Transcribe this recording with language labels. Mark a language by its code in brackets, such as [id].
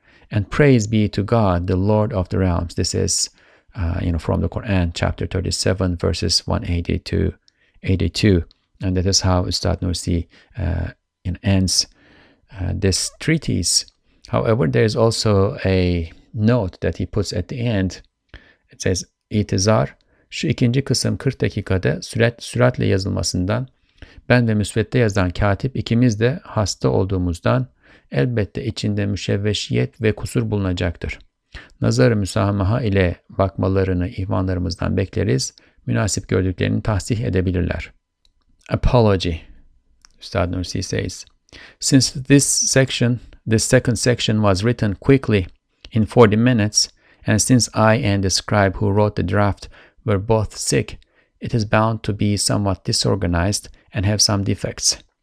[en] And praise be to God, the Lord of the realms. This is from the Quran, chapter 37, verses 180 to 82. And that is how Ustad Nursi ends this treatise. However, there is also a note that he puts at the end. It says, [tr] İtizar, şu ikinci kısım 40 dakikada süratle yazılmasından, ben ve Müsvedde yazan katip ikimiz de hasta olduğumuzdan, elbette içinde müşevveşiyet ve kusur bulunacaktır. Nazar-ı müsamaha ile bakmalarını ihvanlarımızdan bekleriz, münasip gördüklerini tahsih edebilirler. [en] Apology, Üstad Nursi says. Since this second section was written quickly in 40 minutes, and since I and the scribe who wrote the draft were both sick, it is bound to be somewhat disorganized and have some defects.